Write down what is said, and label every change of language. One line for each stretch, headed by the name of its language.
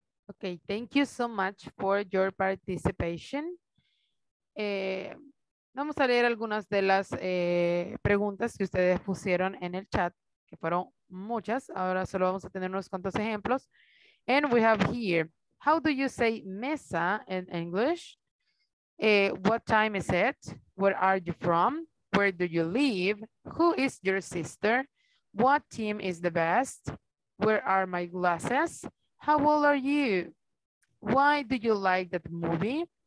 English: Okay, thank you so much for your participation.
Spanish: Vamos a leer algunas de las preguntas que ustedes pusieron en el chat, que fueron muchas. Ahora solo vamos a tener unos cuantos ejemplos.
English: And we have here, how do you say mesa in English? What time is it? Where are you from? Where do you live? Who is your sister? What team is the best? Where are my glasses? How old are you? Why do you like that movie?